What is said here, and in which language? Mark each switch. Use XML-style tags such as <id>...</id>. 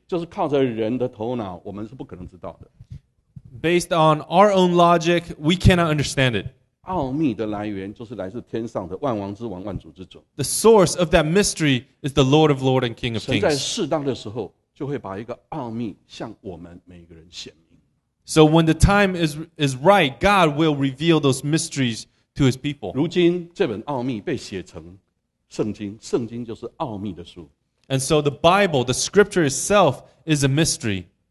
<zh>就是靠着人的头脑，我们是不可能知道的。</zh> <en>Based on our own logic, we cannot understand it.</en> <zh>奧秘的來源就是來自天上的萬王之王萬主之主。</zh> <en>The source of that mystery is the Lord of Lords and King of Kings.</en> <zh>神在適當的時候就會把一個奧秘向我們每一個人顯明。</zh> <en>So when the time is right, God will reveal those mysteries to his people.</en> <zh>如今這本奧秘被寫成聖經，聖經就是奧秘的書。</zh> <en>And so the Bible, the scripture itself is a mystery.</en>